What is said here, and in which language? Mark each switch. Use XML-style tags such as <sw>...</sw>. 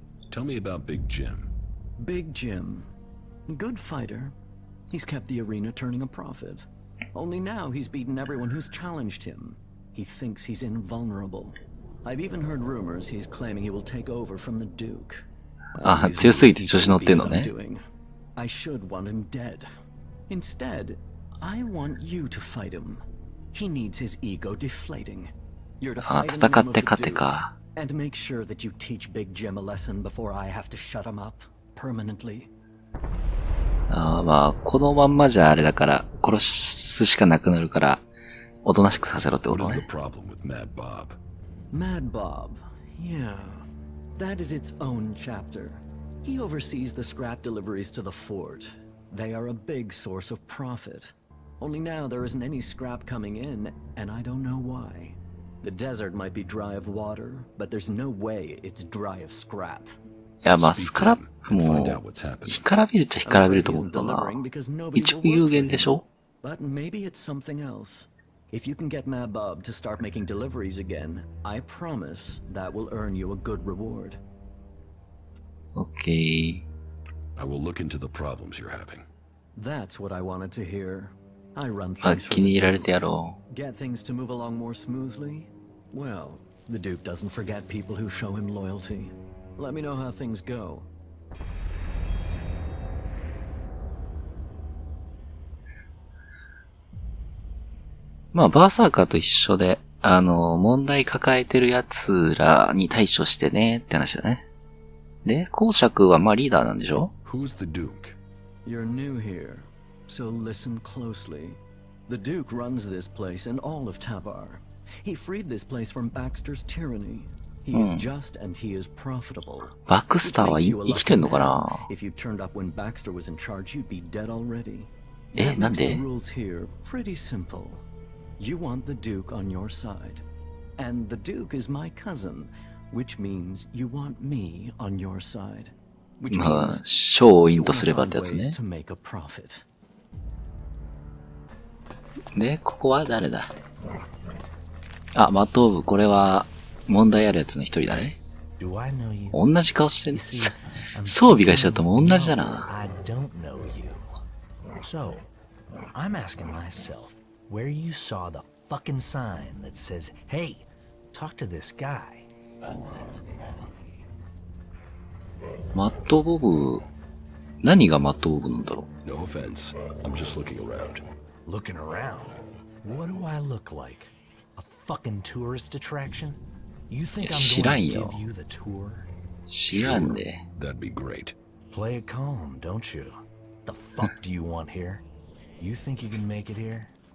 <en>Tell me about Big Jim. Big Jim. Good fighter. He's kept the arena turning a profit. Only now he's beaten everyone who's challenged him. He thinks he's invulnerable. I've even heard rumors he's claiming he will take over from the Duke.</en> <ja>Ah, 強すぎて調子乗ってんのね。</ja> <en>I should want him dead. Instead, I want you to fight him. He needs his ego deflating. You're to fight him in the name of the Duke. And make sure that you teach Big Jim a lesson before I have to shut him up permanently.</en> <ja>ああ、まあこのまんまじゃあれだから殺すしかなくなるからおとなしくさせろってことね。</ja> <en>What is the problem with Mad Bob? Mad Bob, yeah, that is its own chapter. He oversees the scrap deliveries to the fort. They are a big source of profit. Only now there isn't any scrap coming in, and I don't know why. The desert might be dry of water, but there's no way it's dry of scrap.</en> <ja>Yeah, まあ scrap も干からびるっちゃ干からびると思ったな。一応有限でしょ。</ja> <en>But maybe it's something else. If you can get Mad Bob to start making deliveries again, I promise that will earn you a good reward. Okay. I will look into the problems you're having. That's what I wanted to hear. I run</en> <ja>things. 気に入られてやろう。</ja> <en>Get things to move along more smoothly. Well, the Duke doesn't forget people who show him loyalty. Let me know how things go.</en> <ja>まあバーサーカーと一緒で、問題抱えてる奴らに対処してねって話だね。で、公爵はまあリーダーなんでしょ？</ja> <en>Who's the Duke? You're new here, so listen closely. The Duke runs this place and all of Tavar. He freed this place from Baxter's tyranny. He is just and he is profitable.</en> <ja>バクスターは生きてんのかな？</ja> <en>If you turned up when Baxter was in charge, you'd be dead already.</en> <ja>え、なんで？</ja> <en>The rules here pretty simple. You want the Duke on your side, and the Duke is my cousin. Which means you want me on your side. Which means</en> <ja>まあ、勝因とすればってやつね。</ja> <en>To make a profit.</en> <ja>で、ここは誰だ？あ、マトーブ、これは問題あるやつの一人だね。同じ顔してんの？装備がしちゃうとも同じだな。</ja> <en>I don't know you. So, I'm asking myself where you saw the fucking sign that says, hey, talk to this guy.</en> <ja>マットボブ、何がマットボブなんだろう。</ja> <en>No offense, I'm just looking around. Looking around? What do I look like? A fucking tourist attraction? You think I'm going to give you the tour?</en> <ja>知らんで。</ja> <en>That'd be great. Play it calm, don't you? The fuck do you want here? You think you can make it here?</en>